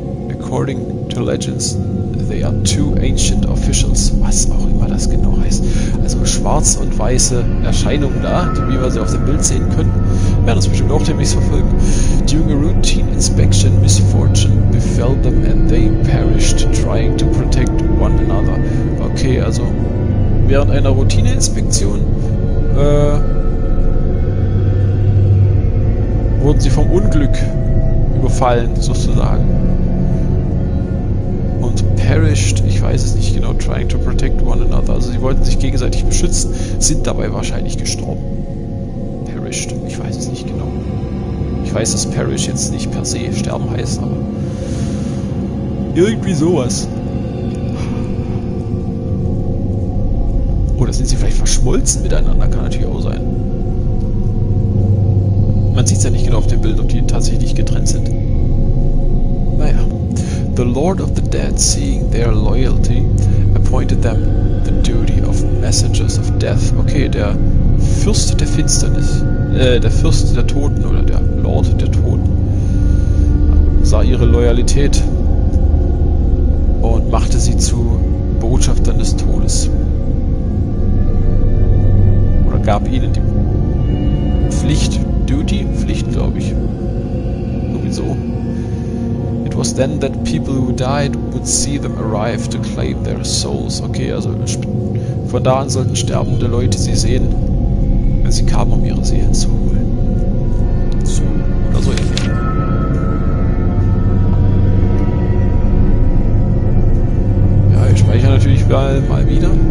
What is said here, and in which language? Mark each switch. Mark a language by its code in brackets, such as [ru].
[en] According to legends, they are two ancient officials. [de] Was auch immer das genau heißt. Also schwarz und weiße Erscheinungen da, wie wir sie auf dem Bild sehen können. Werden uns bestimmt auch demnächst verfolgen. [en] During a routine inspection, misfortune befell them and they perished, trying to protect one another. [de] Okay, also während einer Routineinspektion wurden sie vom Unglück überfallen, sozusagen. Perished, ich weiß es nicht genau, [en] trying to protect one another. [de] Also sie wollten sich gegenseitig beschützen, sind dabei wahrscheinlich gestorben. Perished. Perished. Ich weiß es nicht genau. Ich weiß, dass Perish jetzt nicht per se sterben heißt, aber irgendwie sowas. Oder sind sie vielleicht verschmolzen miteinander? Kann natürlich auch sein. Man sieht es ja nicht genau auf dem Bild, ob die tatsächlich getrennt sind. Naja. [en] The Lord of the Dead, seeing their loyalty, appointed them the duty of messengers of death. [de] Okay, der Fürst der Finsternis. Der Fürst der Toten oder der Lord der Toten sah ihre Loyalität und machte sie zu Botschaftern des Todes. Oder gab ihnen die Pflicht, Duty, Pflicht, glaube ich. Sowieso. [en] It was then that people who died would see them arrive to claim their souls. [de] Okay, also von da an sollten sterbende Leute sie sehen. Sie kamen, um ihre Seelen zu holen. So, oder so ähnlich. Ja, ich speichere natürlich mal wieder.